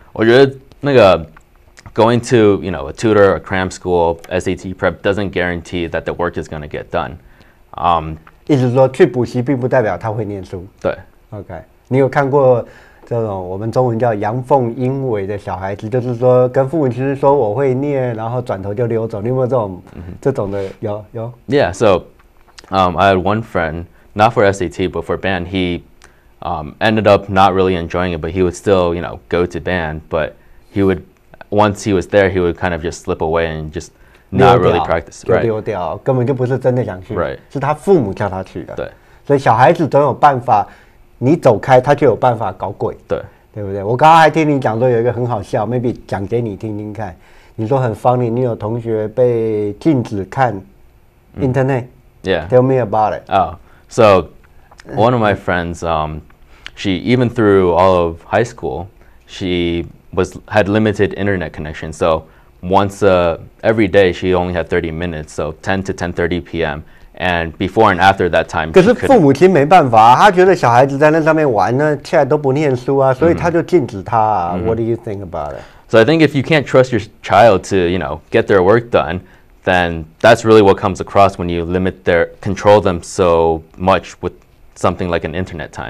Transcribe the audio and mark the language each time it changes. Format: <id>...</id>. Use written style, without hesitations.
<zh>我觉得那个</zh> <en>going to you know a tutor or cram school SAT prep doesn't guarantee that the work is going to get done.</en> <zh>意思是说去补习并不代表他会念书。对，OK， 你有看过这种我们中文叫阳奉阴违的小孩子，就是说跟父母其实说我会念，然后转头就溜走。你有没有这种、这种的？有。</zh> <en>Yeah, so, I had one friend, not for SAT, but for band. He, ended up not really enjoying it, but he would still, you know, go to band. But he would, once he was there, he would kind of just slip away and just. Not really practice, right?</en> <zh>就丢掉，根本就不是真的想去，</zh> <en>right.</en> <zh>是他父母叫他去的。对，所以小孩子总有办法，你走开，他就有办法搞鬼。对，对不对？我刚刚还听你讲说有一个很好笑 ，maybe 讲给你听听看。你说很 funny， 你有同学被禁止看 internet、</zh> <en>Yeah. Tell me about it. Oh, so one of my friends, she even through all of high school, she had limited internet connection, so. Once every day, she only had 30 minutes, so 10 to 10:30 p.m. And before and after that time,</en> <zh>可是父母亲没办法，他觉得小孩子在那上面玩呢，起来都不念书啊，所以他就禁止他啊。 Mm-hmm. What do you think about it? So I think if you can't trust your child to, you know, get their work done, then that's really what comes across when you limit their control them so much with something like an internet time.</zh>